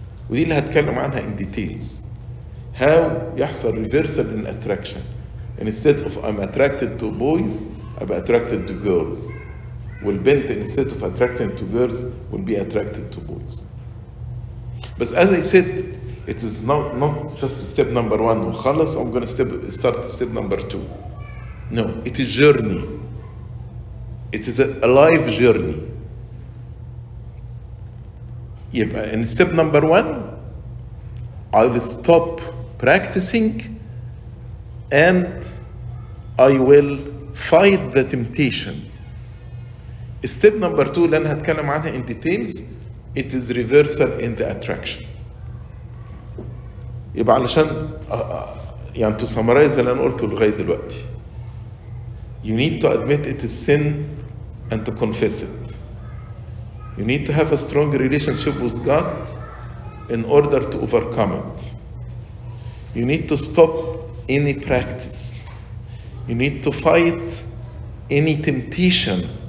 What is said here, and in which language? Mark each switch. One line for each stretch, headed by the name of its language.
Arabic: ودي اللي هتكلم عنها
English: in details. How
Arabic: يحصل
English: reversal in attraction. Instead of I'm attracted to boys, I'm attracted to girls.
Arabic: والبنت
English: instead of attracting to girls will be attracted to boys. But as I said, it is not just step number one,
Arabic: وخلص,
English: I'm going to start step number two. No, it is journey. It is a life journey. In step number one, I will stop practicing and I will fight the temptation. Step number two,
Arabic: اللي أنا هتكلم عنها
English: in details, it is reversal in the attraction.
Arabic: يبقى علشان يعني
English: to summarize
Arabic: اللي أنا قلته لغاية دلوقتي.
English: You need to admit it is sin and to confess it. You need to have a strong relationship with God in order to overcome it. You need to stop any practice. You need to fight any temptation.